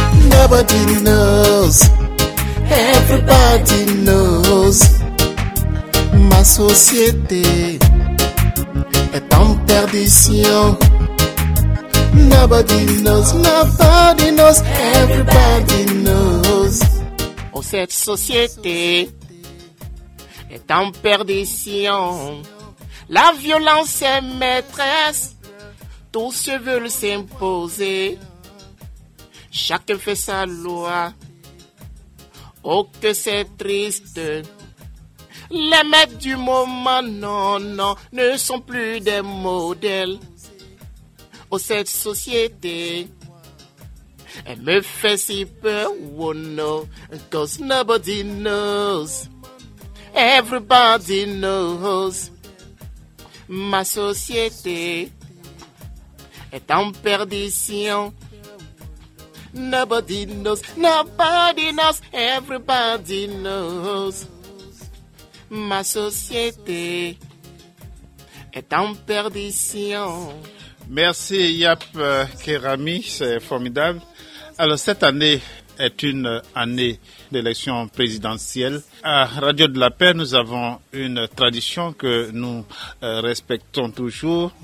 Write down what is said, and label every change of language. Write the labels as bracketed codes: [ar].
[en] Nobody knows, everybody knows. [fr] Ma société est en perdition. [en] Nobody knows, nobody knows, everybody knows. [fr] Oh, cette société est en perdition. La violence est maîtresse, tous veulent s'imposer. Chacun fait sa loi. Oh, que c'est triste. Les maîtres du moment, non, non, ne sont plus des modèles. Oh, cette société, elle me fait si peur. [en] Oh, no, cause nobody knows. Everybody knows. [fr] Ma société est en perdition. [en] Nobody knows, nobody knows, everybody knows. [fr] Ma société est en perdition. Merci Yap Kerami, c'est formidable. Alors cette année est une année d'élection présidentielle. À Radio de la Paix, nous avons une tradition que nous respectons toujours.